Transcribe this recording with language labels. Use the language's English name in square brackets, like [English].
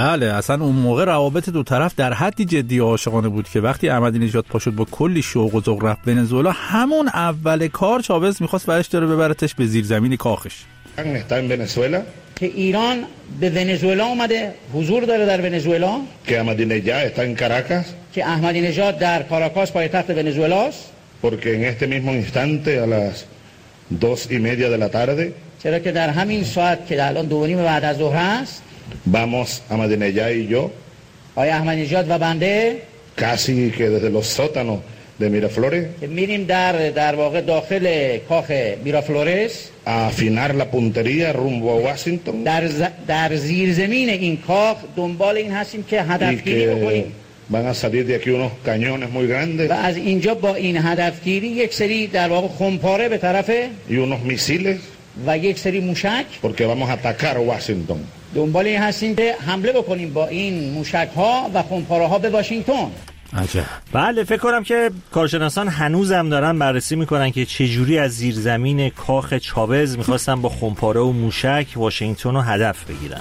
[Persian] بله اصلا اون موقع روابط دو طرف در حدی جدی و عاشقانه بود که وقتی احمدی نژاد پاشد با کلی شوق و ذوق رفت ونزوئلا، همون اول کار چاوز می‌خواست برش داره ببرتش به زیرزمین کاخش. که ایران به ونزوئلا اومده، حضور داره در ونزوئلا، که احمدی نژاد است در کاراکاس، که احمدی نژاد در کاراکاس پایتخت ونزوئلا است، [Spanish] porque en este mismo instante a las 2:30 de la tarde، [Persian] چرا که در همین ساعت که الان 2:30 بعد از ظهر است، [Spanish] vamos احمدی نژاد y yo، [Persian] آیا احمدی نژاد و بنده، [Spanish] casi que desde los sótanos de Miraflores، [Persian] که میریم در واقع داخل کاخ میرافلورس، [Spanish] afinar la puntería rumbo a Washington، [Persian] در زیر زمین این کاخ دنبال این هستیم که هدفگیری بکنیم. [Spanish] van a salir de aquí unos cañones muy grandes، [Persian] و از اینجا با این هدفگیری یک سری در واقع خمپاره به طرف، [Spanish] y unos misiles، [Persian] و یک سری موشک، [Spanish] porque vamos a atacar Washington، [Persian] دنبال این هستیم که حمله بکنیم با این موشک ها و خمپاره ها به واشنگتن. عجب. بله فکر کنم که کارشناسان هنوزم دارن بررسی میکنن که چجوری از زیرزمین کاخ چاوز میخواستن با خمپاره و موشک واشنگتن رو هدف بگیرن